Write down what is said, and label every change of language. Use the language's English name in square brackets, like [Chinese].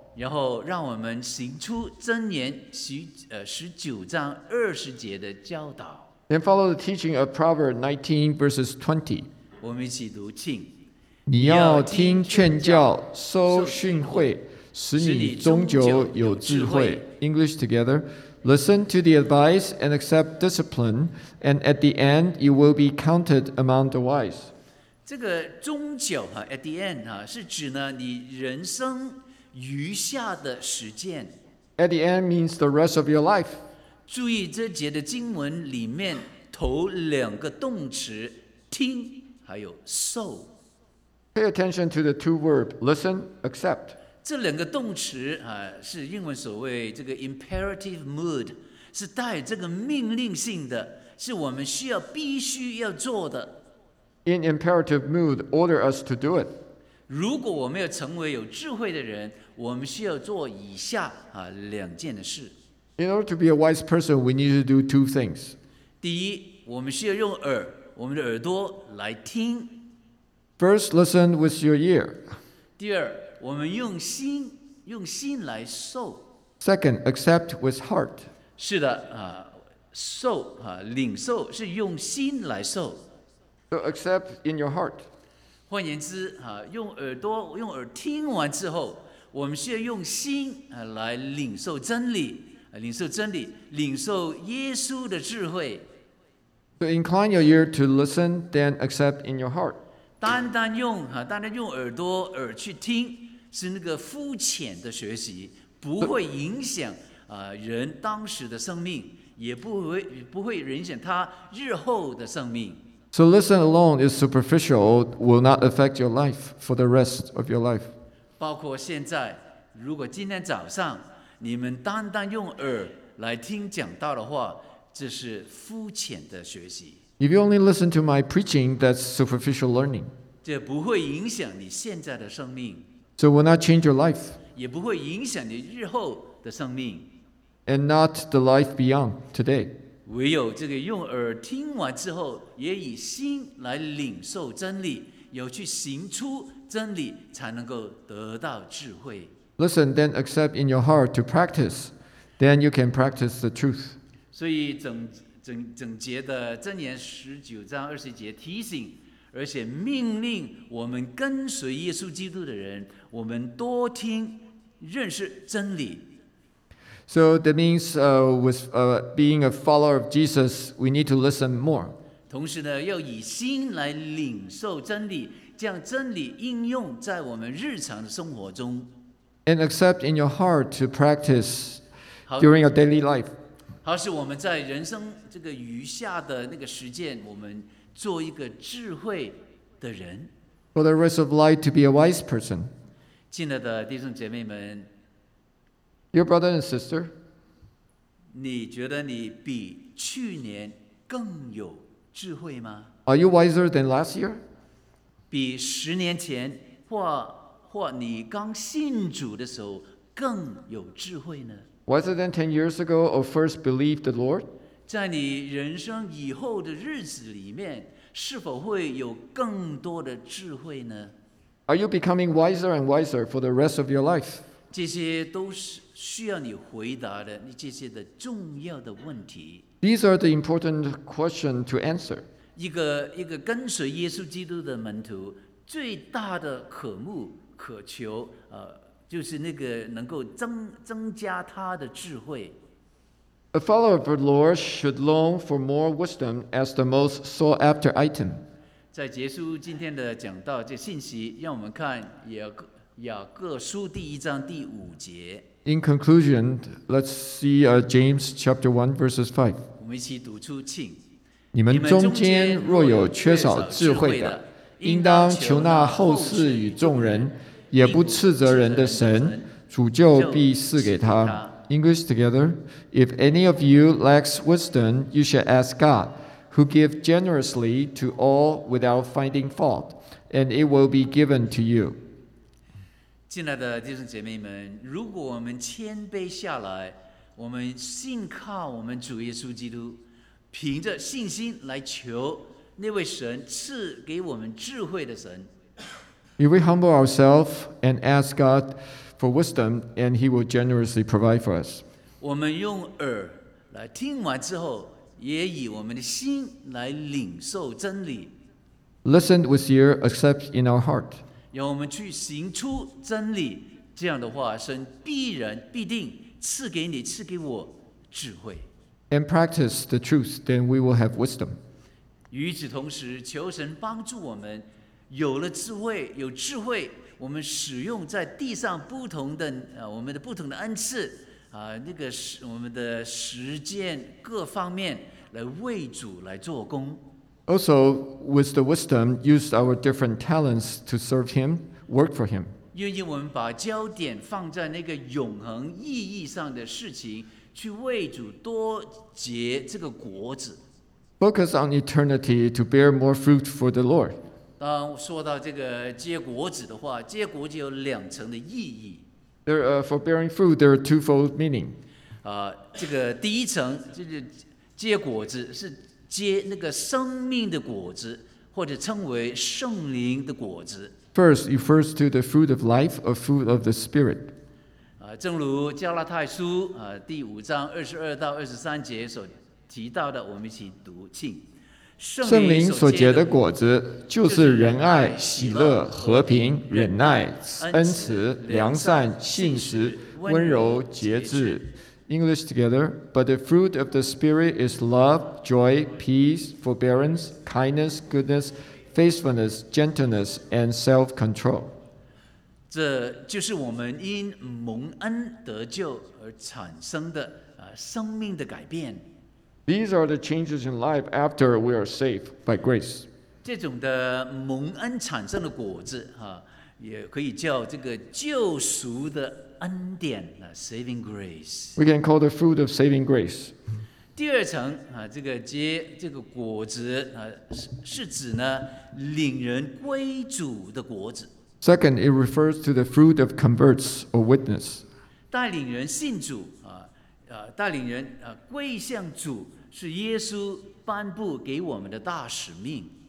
[Chinese] 然后让我们行出箴言19:20的教导。 [English] Then follow the teaching of Proverbs 19:20. [Chinese] 我们一起读，请。你要听劝教，收训诲，使你终究有智慧。 [English] English together. Listen to the advice and accept discipline, and at the end you will be counted among the wise. [Chinese] 这个终究 [English] at the end [Chinese] 是指呢你人生余下的时间。 [English] At the end means the rest of your life. [Chinese] 注意这节的经文里面头两个动词听还有受。 [English] Pay attention to the two verbs, listen, accept. [Chinese] 这两个动词、是英文所谓这个 [English] imperative mood, [Chinese] 是带这个命令性的，是我们需要必须要做的。 [English] In imperative mood, order us to do it. [Chinese] 如果我们要成为有智慧的人，我们需要做以下、两件的事。 [English] In order to be a wise person, we need to do two things. [Chinese] 第一，我们需要用耳，我们的耳朵来听。 [English] First, listen with your ear. [Chinese] 第二，我们用心，用心来受。 [English] Second, accept with heart. [Chinese] 是的，受，领受，是用心来受。 [English] So accept in your heart. [Chinese] 换言之，用耳朵，用耳听完之后，我们需要用心，来领受真理，领受真理，领受耶稣的智慧。 [English] So incline your ear to listen, then accept in your heart. [Chinese] 单单用耳朵耳去听是那个肤浅的学习，不会影响、人当时的生命，也不会影响他日后的生命。 [English] So listen alone is superficial, will not affect your life for the rest of your life. [Chinese] 包括现在，如果今天早上你们单单用耳来听讲道的话，这是肤浅的学习。 [English] If you only listen to my preaching, that's superficial learning. [Chinese] 这不会影响你现在的生命。 [English] So it will not change your life. [Chinese] 也不会影响你日后的生命。 [English] And not the life beyond today. [Chinese] 唯有这个用耳听完之后，也以心来领受真理，有去行出真理，才能够得到智慧。 [English] Listen, then accept in your heart to practice. Then you can practice the truth. [Chinese] 所以整节的箴言19:20提醒，而且命令我们跟随耶稣基督的人，我们多听认识真理。 [English] So that means with being a follower of Jesus, we need to listen more. [Chinese] 同时呢，要以心来领受真理，将真理应用在我们日常的生活中。 [English] And accept in your heart to practice during your daily life. [Chinese] 而是我们在人生这个余下的那个时间，我们做一个智慧的人。 [English] For the rest of life to be a wise person. [Chinese] 亲爱的弟兄姐妹们 [English] ，Your brother and sister， [Chinese] 你觉得你比去年更有智慧吗 [English] ？Are you wiser than last year？ [Chinese] 比十年前或你刚信主的时候更有智慧呢？ [English] Wiser than 10 years ago or first believed the Lord? [Chinese] 在你人生以后的日子里面，是否会有更多的智慧呢？ [English] Are you becoming wiser and wiser for the rest of your life? [Chinese] 这些都是需要你回答的，这些的重要的问题。 [English] These are the important questions to answer. [Chinese] 一个跟随耶稣基督的门徒，最大的渴慕，渴求，就是那个能够 增加他的智慧。 [English] A follower of the Lord should long for more wisdom as the most sought after item. [Chinese] 在结束今天的讲道这信息，让我们看雅各书第一章第五节。 [English] In conclusion, let's see James chapter 1 verses 5. [Chinese] 我们一起读出，请。你们中间若有缺少智慧的，应当求那后世与众人。也不斥责人的神，主就必赐给他。 [English] English together. If any of you lacks wisdom, you should ask God, who gives generously to all without finding fault, and it will be given to you. [Chinese] 亲爱的弟兄姐妹们，如果我们谦卑下来，我们信靠我们主耶稣基督，凭着信心来求那位神赐给我们智慧的神。 [English] If we humble ourselves and ask God for wisdom, and He will generously provide for us. [Chinese] 我们用耳来听完之后，也以我们的心来领受真理。 [English] Listen with ear, accept in our heart. [Chinese] 让我们去行出真理，这样的话，神必然必定赐给你，赐给我智慧。 [English] And practice the truth, then we will have wisdom. [Chinese] 与此同时，求神帮助我们。有了智慧，有智慧，我们使用在地上不同的我们的不同的恩赐啊，那个我们的实践各方面来为主来做工。 [English] Also, with the wisdom, use our different talents to serve Him, work for Him. [Chinese] 愿意我们把焦点放在那个永恒意义上的事情，去为主多结这个果子。 [English] Focus on eternity to bear more fruit for the Lord. [Chinese] 当说到这个结果子的话，结果就有两层的意义。 [English] For bearing fruit, there are twofold meaning. [Chinese] 这个第一层就是结果子，是结那个生命的果子，或者称为圣灵的果子。 [English] First, it refers to the fruit of life, or fruit of the spirit. [Chinese] 正如加拉太书第五章22-23所提到的，我们一起读，请。圣灵所结的果子就是仁爱、喜乐、和平、忍耐、恩慈、良善、信实、温柔、节制。 [English] English together, but the fruit of the Spirit is love, joy, peace, forbearance, kindness, goodness, faithfulness, gentleness, and self-control. [Chinese] 这就是我们因蒙恩得救而产生的生命的改变。 [English] These are the changes in life after we are saved by grace. [Chinese] 这种的蒙恩产生的果子，也可以叫这个救赎的恩典， [English] saving grace. We can call the fruit of saving grace. [Chinese] 第二层，这个结这个果子，是指呢，领人归主的果子。 [English] Second, it refers to the fruit of converts or witness. [Chinese] 带领人信主，带领人归向主，是耶稣颁布给我们的大使命。